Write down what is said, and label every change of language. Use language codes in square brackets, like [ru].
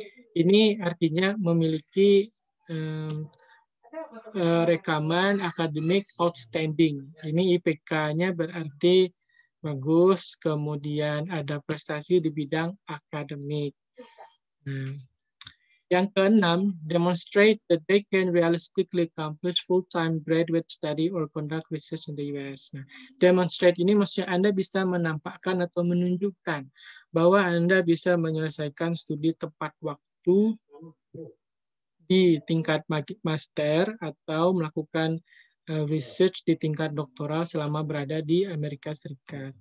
[id] Ini artinya memiliki rekaman akademik outstanding. Ini IPK-nya berarti bagus, kemudian ada prestasi di bidang akademik. Yang keenam, [en] demonstrate that they can realistically accomplish full-time graduate study or conduct research in the US. [id] Nah, demonstrate ini maksudnya Anda bisa menampakkan atau menunjukkan bahwa Anda bisa menyelesaikan studi tepat waktu di tingkat master atau melakukan research di tingkat doktoral selama berada di Amerika Serikat.